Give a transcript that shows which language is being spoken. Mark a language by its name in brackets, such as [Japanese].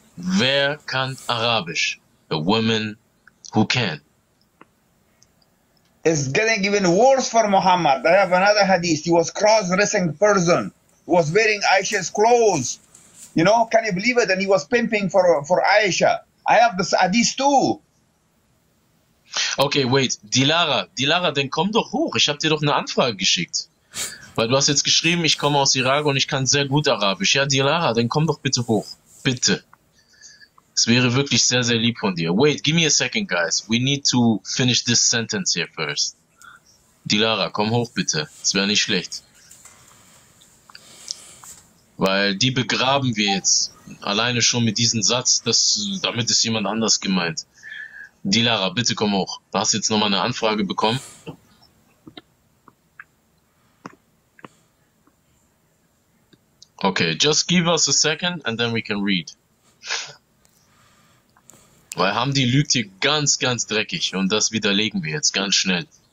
[German] Wer kann Arabisch? [English] A woman who can. It's getting even worse for Muhammad. I have another hadith. He was cross-dressing person. He was wearing Aisha's clothes. You know, can you believe it? And he was pimping for Aisha. I have this hadith too. Okay, wait, [German] Dilara, dann komm doch hoch, ich habe dir doch eine Anfrage geschickt. Weil du hast jetzt geschrieben, ich komme aus Irak und ich kann sehr gut Arabisch. Ja, Dilara, dann komm doch bitte hoch, bitte. Es wäre wirklich sehr, sehr lieb von dir. [English] Wait, give me a second, guys, we need to finish this sentence here first. [German] Dilara, komm hoch bitte, es wäre nicht schlecht. Weil die begraben wir jetzt, alleine schon mit diesem Satz, damit ist jemand anders gemeint. Dilara, bitte komm hoch. Du hast jetzt nochmal eine Anfrage bekommen. [English] Okay, just give us a second and then we can read. [German] Weil Hamdi lügt hier ganz, ganz dreckig und das widerlegen wir jetzt ganz schnell.